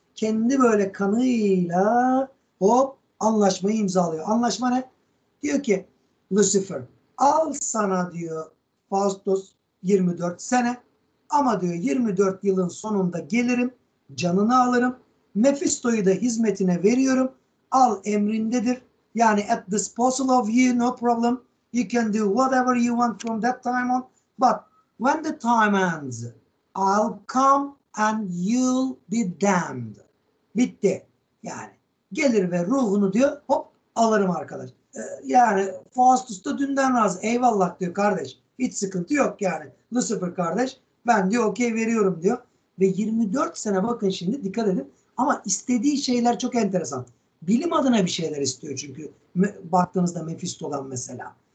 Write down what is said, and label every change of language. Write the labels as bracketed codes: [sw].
[tr] Kendi böyle kanıyla hop anlaşmayı imzalıyor. Anlaşma ne? Diyor ki Lucifer al sana diyor Faustus 24 sene ama diyor 24 yılın sonunda gelirim canını alırım. Mephisto'yu da hizmetine veriyorum. Al emrindedir. Yani [en] at disposal of you no problem. You can do whatever you want from that time on. But when the time ends, I'll come and you'll be damned. [tr] Bitti. Yani gelir ve ruhunu diyor hop alırım arkadaş. Yani Faustus da dünden razı. Eyvallah diyor kardeş. Hiç sıkıntı yok yani. Lucifer kardeş. Ben diyor okey veriyorum diyor. Ve 24 sene bakın şimdi dikkat edin. Ama istediği şeyler çok enteresan. Bilim adına bir şeyler istiyor çünkü baktığınızda Mephisto'dan mesela.